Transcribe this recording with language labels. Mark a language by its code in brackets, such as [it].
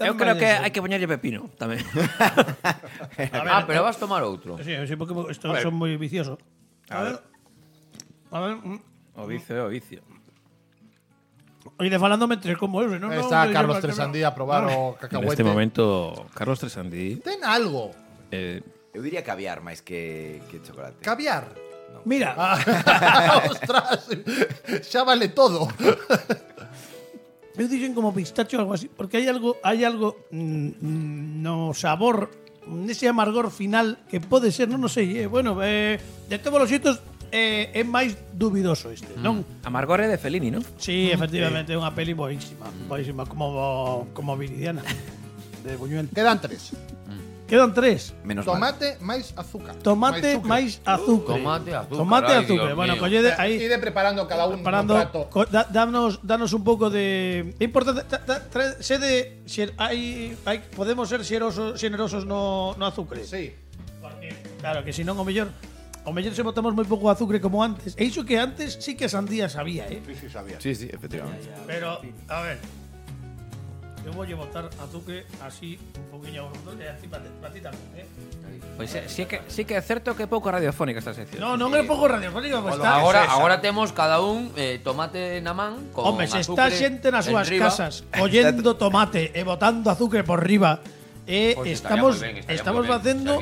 [gl] Eu creo que hai que poñerlle pepino tamén. Ah, pero vas tomar outro. Sí, porque estos son moi viciosos. A ver. O vicio. Oye, falando mentre como eso, ¿no? Está Carlos Tresandí a probar o cacahuete. [es] En este momento, Carlos Tresandí… [gl] Ten algo. [es] Yo diría caviar más que chocolate. ¿Caviar? No. Mira. ¡Ostras! Ya vale todo. Me dicen como pistacho o algo así. Porque hay algo no sabor, ese amargor final que puede ser, no sé. Bueno, de todos los sitios… [gl] É máis dubidoso este, non? Amargor é de Fellini, non? Sí, efectivamente, é unha peli boísima, como Viridiana de Buñuel. Quedan tres. Menos tomate máis azúcar. Tomate máis azúcar. Tomate azúcar. Bueno, collede aí. Ide preparando cada un plato. Danos un pouco de importante, sede se hai podemos ser xenerosos no azúcar. Sí. Claro que si non o mellor. O mellor se botamos moi pouco azúcar como antes. E iso que antes sí que sandía sabía, eh? Sí, efectivamente. Ya. Pero, a ver. Eu vou botar azúcar así un poquinho a bordo e así para ti tamén, eh? Pois pues, sí que é certo que é pouco radiofónica esta sección. Non é pouco radiofónica, pues está. Agora temos cada un tomate na man con hombre, azúcar. Hombre, se está xente nas súas casas collendo tomate e botando azúcar por riba, estamos facendo